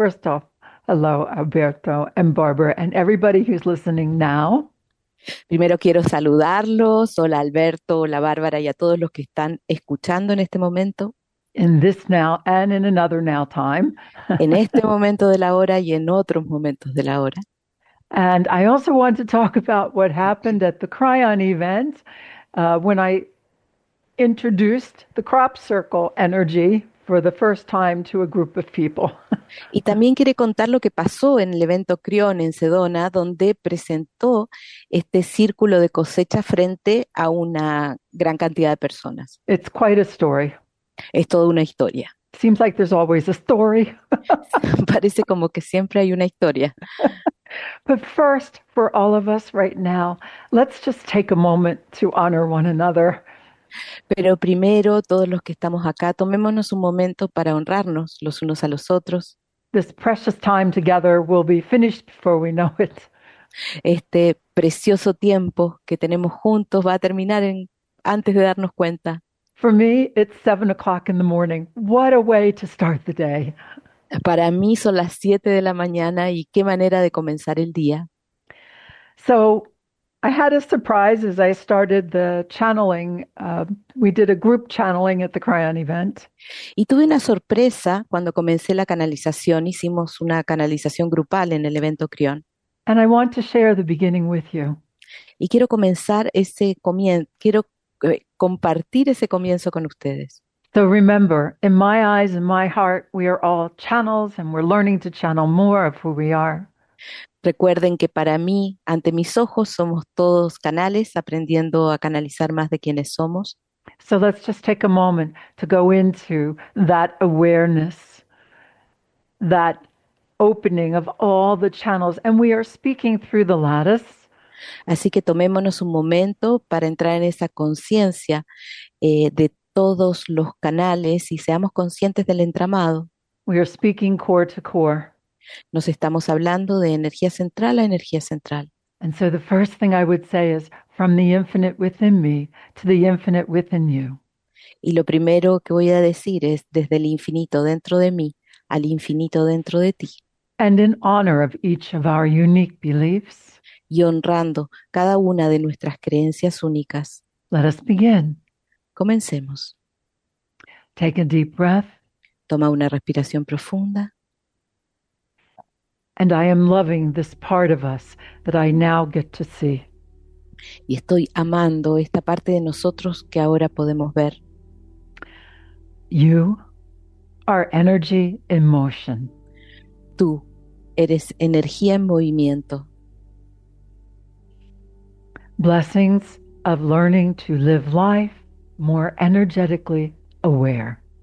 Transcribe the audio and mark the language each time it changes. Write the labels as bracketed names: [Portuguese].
[English] First off, hello, Alberto and Barbara, and everybody who's listening now. [Spanish] Primero quiero saludarlos. Hola, Alberto, hola, Bárbara, y a todos los que están escuchando en este momento. [English] In this now and in another now time. [Spanish] En este momento de la hora y en otros momentos de la hora. [English] And I also want to talk about what happened at the Cryon event when I introduced the crop circle energy for the first time to a group of people. [Spanish] Y también quiere contar lo que pasó en el evento Crión en Sedona, donde presentó este círculo de cosecha frente a una gran cantidad de personas. [English] It's quite a story. [Spanish] Es toda una historia. [English] Seems like there's always a story. [Spanish] Parece como que siempre hay una historia. [English] But first, for all of us right now, let's just take a moment to honor one another. [Spanish] Pero primero, todos los que estamos acá, tomémonos un momento para honrarnos los unos a los otros. [English] This precious time together will be finished before we know it. [Spanish] Este precioso tiempo que tenemos juntos va a terminar antes de darnos cuenta. [English] For me, it's 7 o'clock in the morning. What a way to start the day. [Spanish] Para mí son las 7 de la mañana y qué manera de comenzar el día. [English] So I had a surprise as I started the channeling. We did a group channeling at the Cryon event. [Spanish] Y tuve una sorpresa cuando comencé la canalización. Hicimos una canalización grupal en el evento Crión. [English] And I want to share the beginning with you. [Spanish] Y quiero comenzar ese comienzo, quiero compartir ese comienzo con ustedes. [English] So remember, in my eyes, in my heart, we are all channels and we're learning to channel more of who we are. [Spanish] Recuerden que para mí, ante mis ojos, somos todos canales, aprendiendo a canalizar más de quienes somos. [English] So let's just take a moment to go into that awareness, that opening of all the channels. And we are speaking through the lattice. [Spanish] Así que tomémonos un momento para entrar en esa conciencia de todos los canales y seamos conscientes del entramado. [English] We are speaking core to core. [Spanish] Nos estamos hablando de energía central a energía central. [English] And so the first thing I would say is, from the infinite within me to the infinite within you. [Spanish] Y lo primero que voy a decir es desde el infinito dentro de mí al infinito dentro de ti. [English] And in honor of each of our unique beliefs, [Spanish] Y honrando cada una de nuestras creencias únicas. [English] let us begin. [Spanish] Comencemos. [English] Take a deep breath. [Spanish] Toma una respiración profunda. [English] And I am loving this part of us that I now get to see. [Spanish] Y estoy amando esta parte de nosotros que ahora podemos ver. [English] You are energy in motion. [Spanish] Tú eres energía en movimiento. [English] Blessings of learning to live life more energetically aware.